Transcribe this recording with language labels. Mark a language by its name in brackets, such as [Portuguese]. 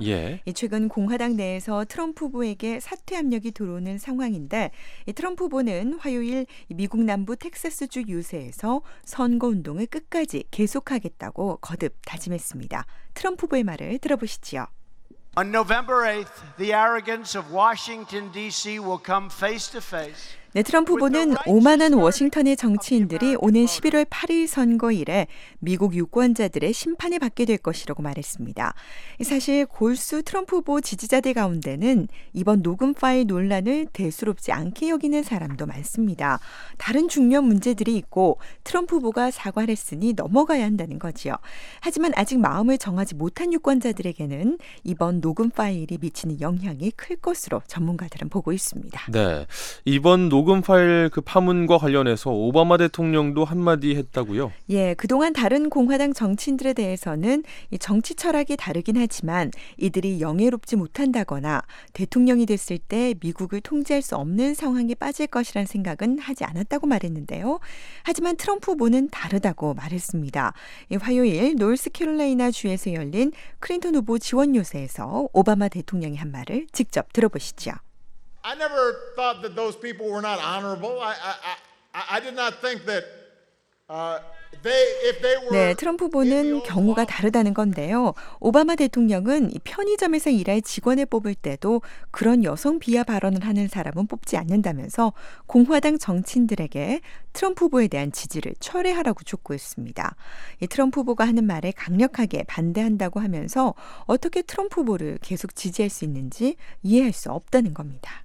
[Korean] 예. 최근 공화당 내에서 트럼프 후보에게 사퇴 압력이 들어오는 상황인데 트럼프 후보는 화요일 미국 남부 텍사스주 유세에서 선거운동을 끝까지 계속하겠다고 거듭 다짐했습니다. 트럼프 후보의 말을 들어보시지요. [English] On November 8th, the arrogance of Washington, D.C. will come face to face. [Korean] 네, 트럼프 후보는 오만한 워싱턴의 정치인들이 오는 11월 8일 선거일에 미국 유권자들의 심판을 받게 될 것이라고 말했습니다. 사실 골수 트럼프 후보 지지자들 가운데는 이번 녹음 파일 논란을 대수롭지 않게 여기는 사람도 많습니다. 다른 중요한 문제들이 있고 트럼프 후보가 사과를 했으니 넘어가야 한다는 거지요. 하지만 아직 마음을 정하지 못한 유권자들에게는 이번 녹음 파일이 미치는 영향이 클 것으로 전문가들은 보고 있습니다. 네, 이번 녹음 파일 그 파문과 관련해서 오바마 대통령도 한마디 했다고요? 예, 그동안 다른 공화당 정치인들에 대해서는 정치 철학이 다르긴 하지만 이들이 영예롭지 못한다거나 대통령이 됐을 때 미국을 통제할 수 없는 상황에 빠질 것이란 생각은 하지 않았다고 말했는데요. 하지만 트럼프 후보는 다르다고 말했습니다. 화요일 노스캐롤라이나 주에서 열린 클린턴 후보 지원 요새에서 오바마 대통령이 한 말을 직접 들어보시죠. [English] I never thought that those people were not honorable. I did not think that they if they were [Korean] 네, 트럼프 후보는 경우가 다르다는 건데요. 오바마 대통령은 편의점에서 일할 직원을 뽑을 때도 그런 여성 비하 발언을 하는 사람은 뽑지 않는다면서 공화당 정치인들에게 트럼프 후보에 대한 지지를 철회하라고 촉구했습니다. 이 트럼프 후보가 하는 말에 강력하게 반대한다고 하면서 어떻게 트럼프 후보를 계속 지지할 수 있는지 이해할 수 없다는 겁니다.